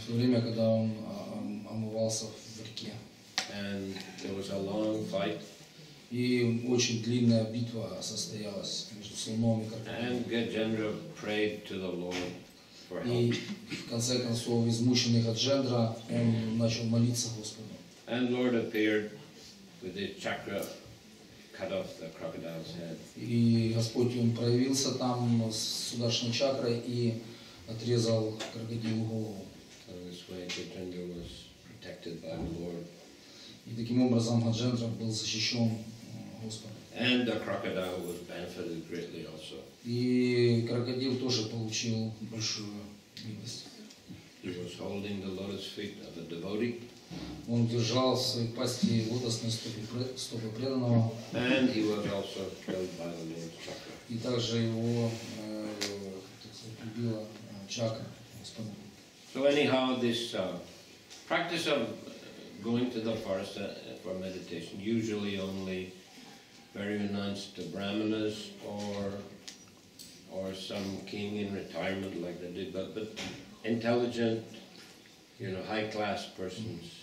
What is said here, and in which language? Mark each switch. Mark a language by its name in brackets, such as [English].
[Russian] Все время, когда он омывался в реке. [English] And there was a long fight. [Russian] И очень длинная битва состоялась между слоном и крокодилом. [English] And Gajendra prayed to the Lord for help. [Russian] И в конце концов, измученный Гаджендра, он начал молиться Господу. [English] And Lord appeared with the chakra cut off the crocodile's head. [Russian] И Господь он проявился там с Сударшан чакрой и отрезал крокодилу голову. [English] So this way Gajendra was protected by the Lord. [Russian] И таким образом Гаджендра был защищен Господом. [English] And the crocodile was benefited greatly also. [Russian] И крокодил тоже получил большую милость. [English] He was holding the lotus feet of a devotee. [Russian] Он держал в своей пасти лотосные стопы преданного. [English] And he was also killed by the Lord's chakra. [Russian] И также его, так сказать, убила чакра Господа. [English] So anyhow, this practice of going to the forest for meditation usually only very renounced to brahmanas or some king in retirement like they did, but intelligent, you know, high class persons.